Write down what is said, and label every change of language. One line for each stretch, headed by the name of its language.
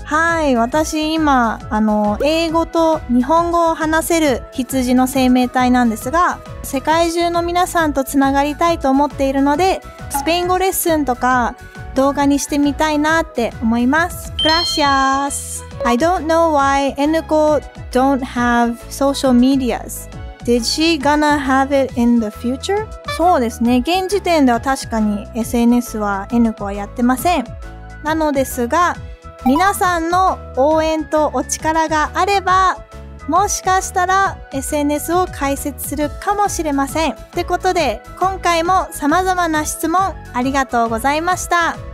Japanese: はい、私今英語と日本語を話せる羊の生命体なんですが、世界中の皆さんとつながりたいと思っているので、スペイン語レッスンとか動画にしてみたいなって思います。
Spanish: Gracias!
English: I don't know why Enko don't have social medias. Did she gonna have it in the future?
Japanese: そうですね。現時点では確かに SNS は Enko はやってません。なのですが、皆さんの応援とお力があれば、もしかしたら SNS を開設するかもしれません。ってことで、今回も様々な質問ありがとうございました。